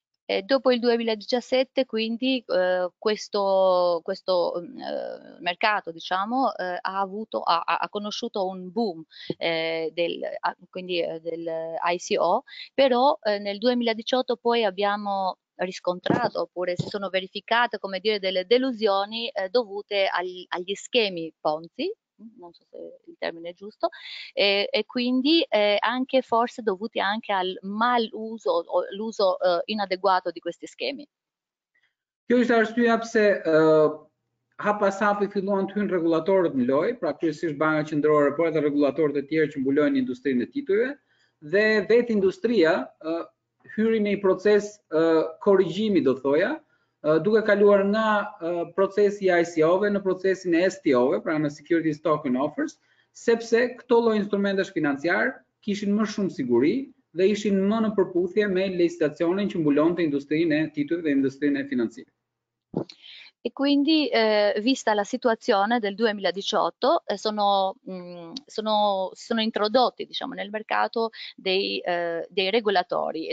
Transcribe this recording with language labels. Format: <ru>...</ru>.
<it>Dopo il 2017, quindi, questo mercato, diciamo, ha conosciuto un boom del ICO, però nel 2018 poi abbiamo riscontrato, oppure si sono verificate, come dire, delle delusioni dovute agli schemi Ponzi, non so se il termine è giusto, e quindi anche forse dovuti anche al mal uso o l'uso inadeguato di questi schemi.</it> <sq>Kjo ishte arsyeja pse hap pas hapi filluan të hynë regulatorët në lojë, pra kryesisht banka qendrore, por edhe regulatorët e tjerë që mbulojnë industrinë e titujve, dhe vetë industria hyri në një proces korrigjimi, do thoja, duke kaluar nga procesi ICO-ve në procesin e STO-ve, pra në Securities Stock and Offers, sepse këto lloj instrumentesh financiar kishin më shumë siguri dhe ishin më në përputhje me legislacionin që mbulonte industrinë e titujve dhe industrinë e financimit.</sq> <it>E quindi, vista la situazione del 2018, sono introdotti, diciamo, nel mercato dei regolatori.</it>